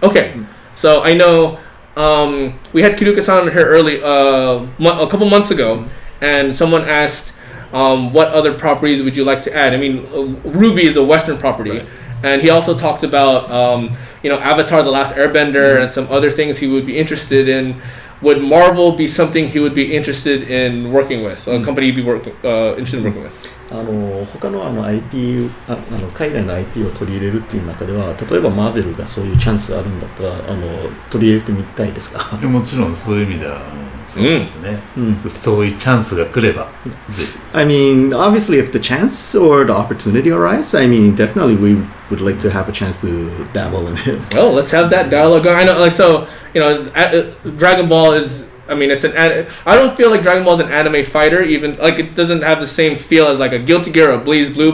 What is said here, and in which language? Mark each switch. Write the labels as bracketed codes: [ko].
[en] Okay, so I know we had Kidooka-san here early a couple months ago, and someone asked what other properties would you like to add. I mean, Ruby is a Western property, right. And he also talked about, you know, Avatar: The Last Airbender and some other things he would be interested in. Would Marvel be something he would be interested in working with? A company he'd be interested in working with? [ja] あの、他のあのIP、あの、海外のIP を取り入れるっていう中では、例えばマーベルがそういうチャンスあるんだったら、あの、取り入れてみたいですか?もちろんそういう意味ではそうですね。そういうチャンスが来れば。I [en] mean, obviously if the chance or the opportunity arises, I mean, definitely we would like to have a chance to dabble in it. Oh, let's have that dialogue. I know, like, so, you know, Dragon Ball is, I mean, it's an. I don't feel like Dragon Ball is an anime fighter. Even like it doesn't have the same feel as like a Guilty Gear or BlazBlue.